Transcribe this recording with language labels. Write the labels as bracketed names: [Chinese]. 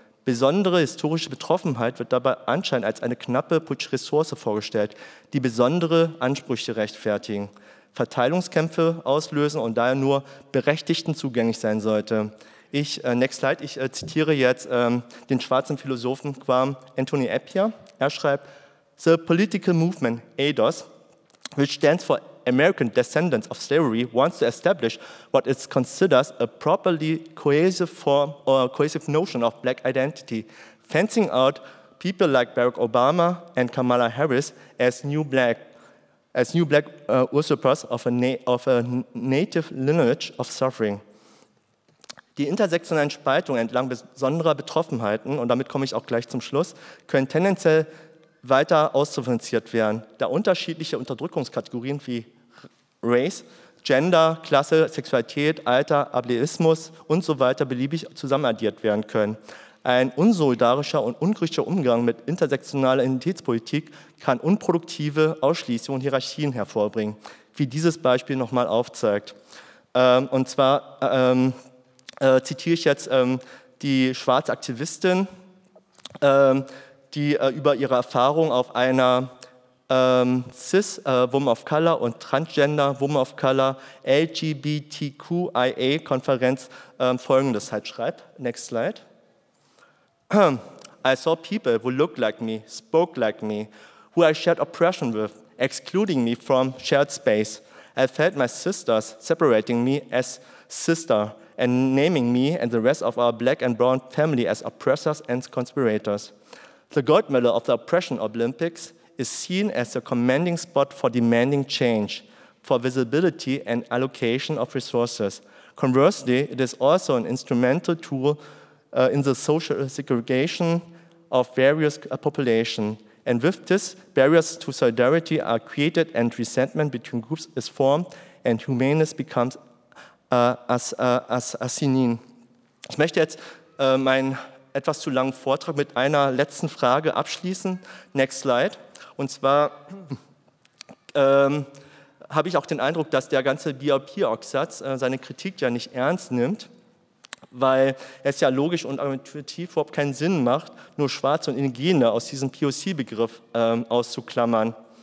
[German] Besondere historische Betroffenheit wird dabei anscheinend als eine knappe politische Ressource vorgestellt, die besondere Ansprüche rechtfertigen, Verteilungskämpfe auslösen und daher nur Berechtigten zugänglich sein sollte. Ich zitiere jetzt den schwarzen Philosophen Kwame Anthony Appiah. Er schreibt: [English] "The political movement ADOS, which stands for American descendants of slavery, wants to establish what it considers a properly cohesive form or cohesive notion of black identity, fencing out people like Barack Obama and Kamala Harris as new black usurpers of a native lineage of suffering." [German] Die intersektionalen Spaltungen entlang besonderer Betroffenheiten, und damit komme ich auch gleich zum Schluss, können tendenziell weiter ausdifferenziert werden, da unterschiedliche Unterdrückungskategorien wie Race, Gender, Klasse, Sexualität, Alter, Ableismus und so weiter beliebig zusammenaddiert werden können. Ein unsolidarischer und ungerechter Umgang mit intersektionaler Identitätspolitik kann unproduktive Ausschließungen und Hierarchien hervorbringen, wie dieses Beispiel nochmal aufzeigt. Und zwar zitiere ich jetzt die schwarze Aktivistin, die über ihre Erfahrung auf einer Cis-Women of Color und Transgender-Women of Color LGBTQIA-Konferenz folgendes halt schreibt. [English] Next slide. "I saw people who looked like me, spoke like me, who I shared oppression with, excluding me from shared space. I felt my sisters separating me as sister and naming me and the rest of our black and brown family as oppressors and conspirators. The gold medal of the Oppression Olympics is seen as a commanding spot for demanding change, for visibility and allocation of resources. Conversely, it is also an instrumental tool in the social segregation of various populations. And with this, barriers to solidarity are created and resentment between groups is formed and humaneness becomes asinine." [German] Ich möchte jetzt mein etwas zu langen Vortrag mit einer letzten Frage abschließen. [English] Next slide. [German] Und zwar habe ich auch den Eindruck, dass der ganze BRP-Aufsatz seine Kritik ja nicht ernst nimmt, weil es ja logisch und argumentativ überhaupt keinen Sinn macht, nur Schwarze und Indigene aus diesem POC-Begriff auszuklammern.